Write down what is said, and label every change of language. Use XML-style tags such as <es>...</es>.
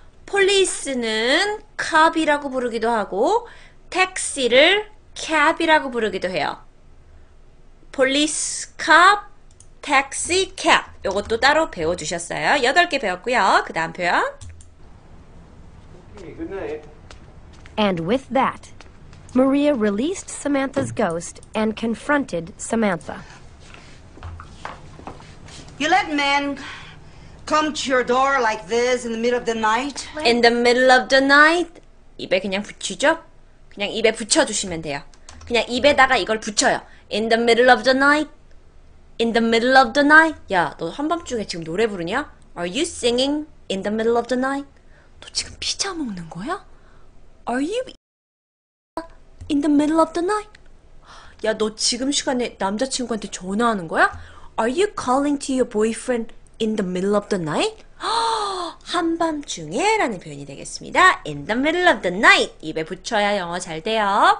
<ko>폴리스는 cop이라고 부르기도 하고 택시를 cab이라고 부르기도 해요.</ko> <en>Police, cop, taxi, cab.</en> <ko>이것도 따로 배워주셨어요. 8개 배웠고요. 그 다음 표현.</ko> <en>And with that, Maria released Samantha's ghost and confronted Samantha. You let men come to your door like this in the middle of the night? In the middle of the night?</en> <ko>입에 그냥 붙이죠? 그냥 입에 붙여주시면 돼요. 그냥 입에다가 이걸 붙여요.</ko> <en>In the middle of the night? In the middle of the night?</en> <ko>야, 너 한밤중에 지금 노래 부르냐?</ko> <en>Are you singing in the middle of the night?</en> <ko>너 지금 피자 먹는 거야?</ko> <en>Are you in the middle of the night?</en> <ko>야, 너 지금 시간에 남자친구한테 전화하는 거야?</ko> <en>Are you calling to your boyfriend in the middle of the night?</en> <ko>한밤중에 라는 표현이 되겠습니다.</ko> <en>In the middle of the night.</en> <ko>입에 붙여야 영어 잘 돼요.</ko>